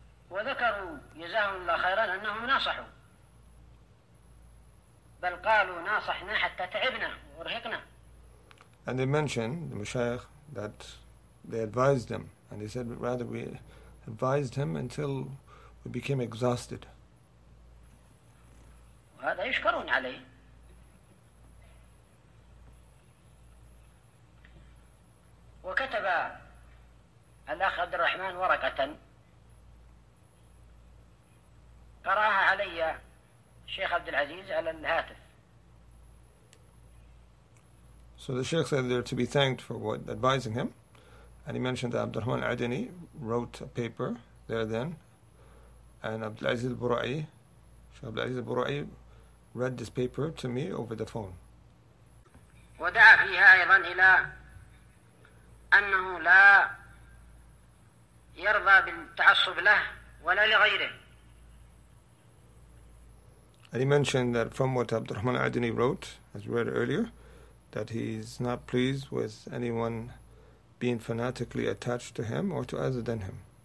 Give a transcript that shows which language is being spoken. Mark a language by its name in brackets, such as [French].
[Arabic] وذكروا جزاهم الله خيرا أنهم ناصحوا بل قالوا ناصحنا حتى تعبنا ورهقنا. [English] And they mentioned, the Mashaykh, that they advised him, and they said rather we advised him until we became exhausted. [Arabic] وهذا يشكرون عليه. وكتب الأخ عبد الرحمن ورقة قرأها علي الشيخ عبد العزيز على الهاتف. [English] So the Sheikh said they're to be thanked for what advising him, and he mentioned that Abdul Rahman Adini wrote a paper there then, and Abdul Aziz Al-Bura'i, Sheikh Abdul Aziz Al-Bura'i, read this paper to me over the phone. [Arabic] ودعا فيها أيضا إلى أنه لا يرضى بالتعصب له ولا لغيره. [English] And he mentioned that from what Abdul Rahman Adini wrote, as we read earlier, that he's not pleased with anyone being fanatically attached to him or to other than him.